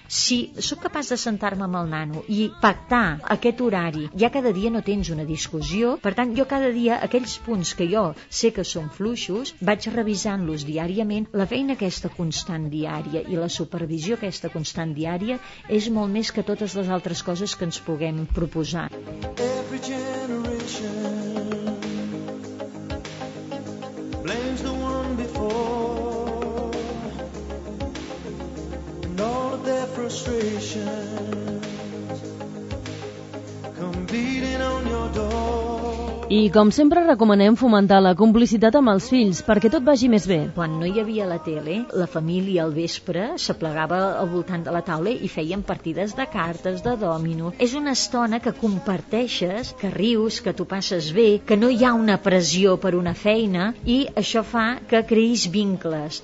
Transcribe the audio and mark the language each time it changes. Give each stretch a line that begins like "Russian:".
Catalan: Si sóc capaç de sentar-me amb el nano i pactar aquest horari, ja cada dia no tens una discussió. Per tant, jo cada dia aquells punts que jo sé que són fluixos, vaig revisant-los diàriament. La feina aquesta constant diària i la supervisió aquesta constant diària és molt més que totes les altres coses que ens puguem proposar.
English: Every generation blames the one before, and all of their frustrations come beating on your door.
Catalan: I com sempre recomanem fomentar la complicitat amb els fills perquè tot vagi més bé. Quan no hi havia la tele, la família al vespre s'aplegava al voltant de la taula i feien partides de cartes, de dòmino. És una estona que comparteixes, que rius, que t'ho passes bé, que no hi ha una pressió per una feina, i això fa que creïs vincles.